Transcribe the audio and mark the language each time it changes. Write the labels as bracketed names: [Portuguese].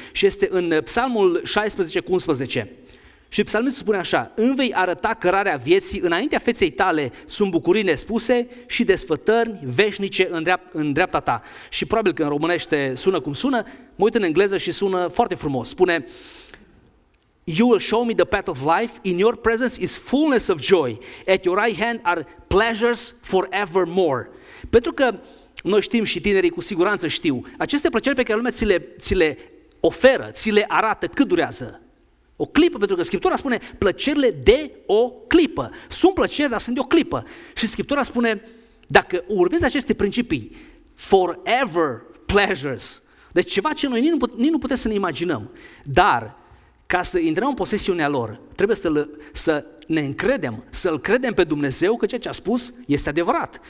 [Romanian] Și este în Psalmul 16:11. Și psalmistul spune așa, îmi vei arăta cărarea vieții, înaintea feței tale sunt bucurii nespuse și desfătări veșnice în dreapta ta. Și probabil că în românește sună cum sună, mă uit în engleză și sună foarte frumos. Spune, [English] you will show me the path of life, in your presence is fullness of joy, at your right hand are pleasures forevermore. [Romanian] Pentru că noi știm și tinerii cu siguranță știu, aceste plăceri pe care lumea ți le oferă, ți le arată, cât durează? O clipă, pentru că Scriptura spune plăcerile de o clipă. Sunt plăceri, dar sunt de o clipă. Și Scriptura spune, dacă urmezi aceste principii, [English] forever pleasures, [Romanian] deci ceva ce noi nici nu putem să ne imaginăm, dar ca să intrăm în posesiunea lor, trebuie să ne încredem, să-L credem pe Dumnezeu că ceea ce a spus este adevărat.